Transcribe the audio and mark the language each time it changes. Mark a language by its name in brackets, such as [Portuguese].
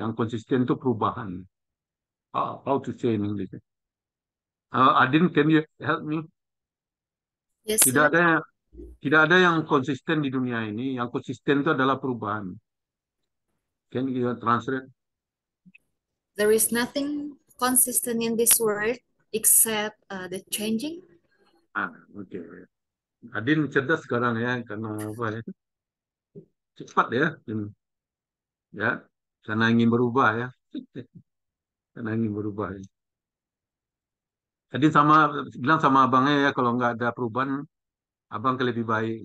[Indonesian] Yang konsisten itu perubahan. [English] How to say in English? Adin, can you help me? Yes, [Indonesian] tidak sir. Ada tidak ada yang konsisten di dunia ini. Yang konsisten itu adalah perubahan. [English] Can you translate? There is nothing consistent in this world except the changing. Ah, okay. [Indonesian] Adin cerdas sekarang ya, karena apa ya? Cepat ya, ya. Karena ingin berubah ya, karena ingin berubah. Ya. Adin sama bilang sama abangnya ya, kalau nggak ada perubahan, abang lebih baik.